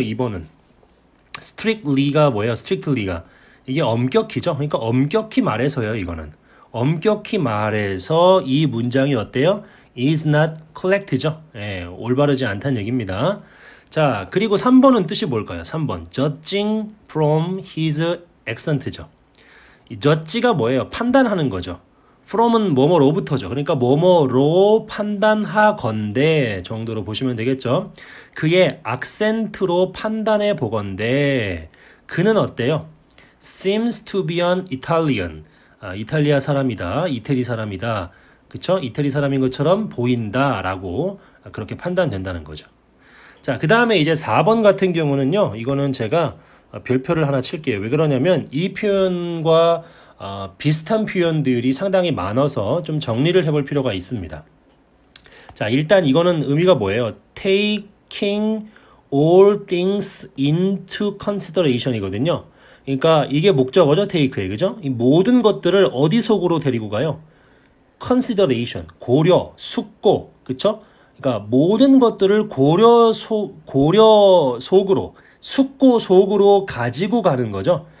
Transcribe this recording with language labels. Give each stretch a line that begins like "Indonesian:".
Korean: 2번은 strictly가 뭐예요? strictly가 이게 엄격히죠? 그러니까 엄격히 말해서요, 이거는. 엄격히 말해서 이 문장이 어때요?
English: is not correct죠?
Korean: 예, 올바르지 않다는 얘기입니다. 자, 그리고 3번은 뜻이 뭘까요?
English: 3번 judging from his accent죠.
Korean: 이 judge가 뭐예요? 판단하는 거죠. From은 뭐뭐로부터죠. 그러니까 뭐뭐로 판단하건대 정도로 보시면 되겠죠. 그의 악센트로 판단해 보건대, 그는 어때요?
English: Seems to be an Italian.
Korean: 이탈리아 사람이다. 이태리 사람이다. 그쵸? 이태리 사람인 것처럼 보인다라고 그렇게 판단된다는 거죠. 자, 그 다음에 이제 4번 같은 경우는요. 이거는 제가 별표를 하나 칠게요. 왜 그러냐면 이 표현과 비슷한 표현들이 상당히 많아서 좀 정리를 해볼 필요가 있습니다. 자, 일단 이거는 의미가 뭐예요?
English: Taking all things into consideration 이거든요.
Korean: 그러니까 이게 목적어죠? take에, 그죠? 이 모든 것들을 어디 속으로 데리고 가요? consideration, 고려, 숙고, 그쵸? 그러니까 모든 것들을 고려 속으로, 숙고 속으로 가지고 가는 거죠.